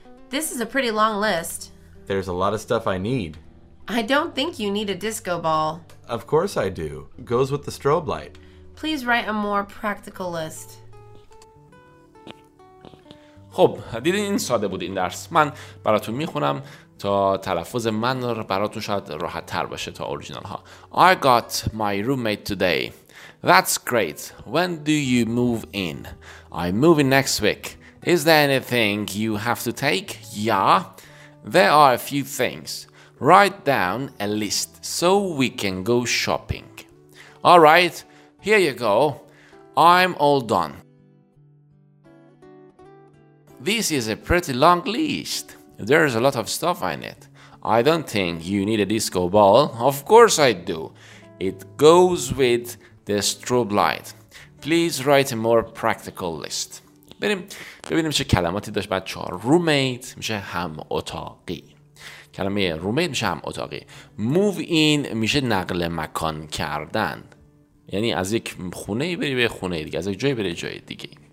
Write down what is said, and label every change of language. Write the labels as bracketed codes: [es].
[en] This is a pretty long list. There's a lot of stuff I need. I don't think you need a disco ball. Of course I do. Goes with the strobe light. Please write a more practical list. [fa] خب دیدین این ساده بود این درس. من براتون میخونم تا تلفظ من براتون شاید راحت تر باشه تا اورجینال ها. [en] I got my roommate today. That's great. When do you move in? I move in next week. Is there anything you have to take? Yeah. There are a few things. Write down a list so we can go shopping. All right. Here you go. I'm all done. This is a pretty long list. There's a lot of stuff in it. I don't think you need a disco ball. Of course I do. It goes with the strobe light. Please write a more practical list. [fa] بریم ببینیم چه کلماتی داشت بچه‌ها. Roommate میشه هم اتاقی. کلمه roommate میشه هم اتاقی. [en] Move in [fa] میشه نقل مکان کردن. یعنی از یک خونه بری به خونه دیگه، از یک جای بری جای دیگه.